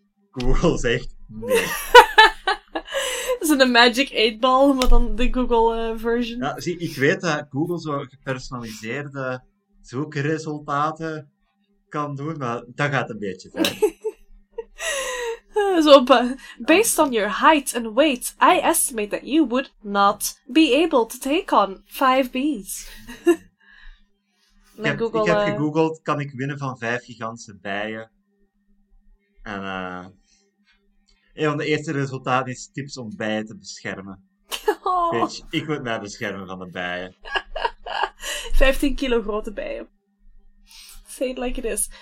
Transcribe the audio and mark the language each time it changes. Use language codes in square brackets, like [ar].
[nl] Google zegt nee. Dat is een Magic 8-ball, maar dan de Google-version. Ja, zie, ik weet dat Google zo gepersonaliseerde zoekresultaten kan doen, maar dat gaat een beetje ver. [en] Zo, based on your height and weight, I estimate that you would not be able to take on 5 bees. [nl] Ik heb gegoogeld, kan ik winnen van 5 gigantische bijen? En een van de eerste resultaten is tips om bijen te beschermen. Oh. Bitch, ik moet mij beschermen van de bijen. 15 kilo grote bijen. [en] Say it like it is.